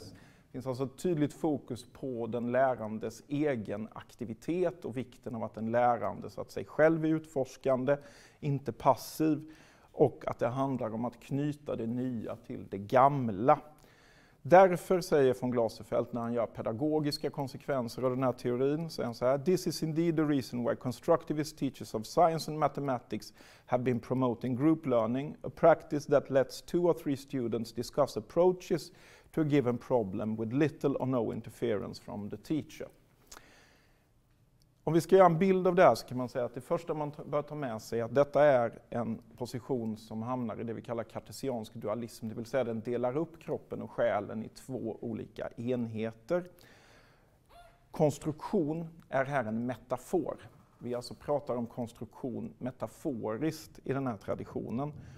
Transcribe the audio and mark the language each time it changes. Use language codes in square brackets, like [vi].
[sv] Det finns alltså ett tydligt fokus på den lärandes egen aktivitet och vikten av att den lärande så att säga själv är utforskande, inte passiv. Och att det handlar om att knyta det nya till det gamla. Därför säger von Glaserfeld när han gör pedagogiska konsekvenser av den här teorin. Säger han så här: [en] this is indeed the reason why constructivist teachers of science and mathematics have been promoting group learning. A practice that lets 2 or 3 students discuss approaches to a given problem with little or no interference from the teacher. [sv] Om vi ska göra en bild av det här så kan man säga att det första man bör ta med sig är att detta är en position som hamnar i det vi kallar kartesiansk dualism. Det vill säga att den delar upp kroppen och själen i 2 olika enheter. Konstruktion är här en metafor. Vi alltså pratar om konstruktion metaforiskt i den här traditionen.